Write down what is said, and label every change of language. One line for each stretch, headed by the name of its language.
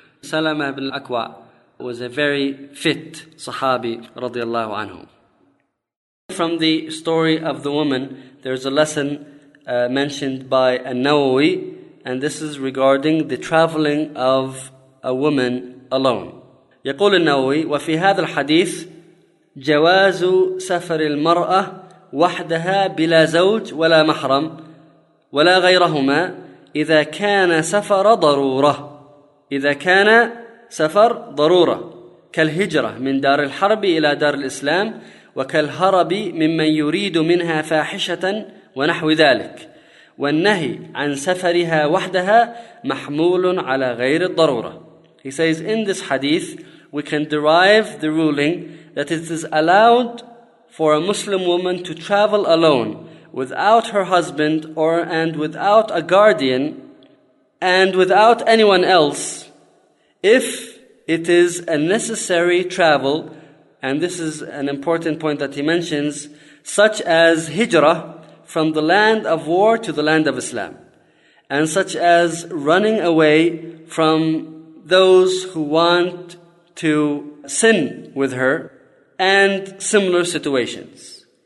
English: Salama ibn al-Akwa was a very fit sahabi, radiallahu anhu. From the story of the woman, there's a lesson mentioned by An-Nawawi, and this is regarding the traveling of a woman alone.
Arabic: يقول النووي: وفي هذا الحديث جواز سفر المرأة وحدها بلا زوج ولا محرم ولا غيرهما إذا كان سفر ضرورة، إذا كان سفر ضرورة كالهجرة من دار الحرب إلى دار الإسلام، وكالهرب ممن يريد منها فاحشة ونحو ذلك، والنهي عن سفرها وحدها محمول على غير الضرورة.
English: He says in this hadith we can derive the ruling that it is allowed for a Muslim woman to travel alone without her husband or and without a guardian and without anyone else if it is a necessary travel, and this is an important point that he mentions, such as hijrah from the land of war to the land of Islam, and such as running away from those who want to sin with her, and similar situations.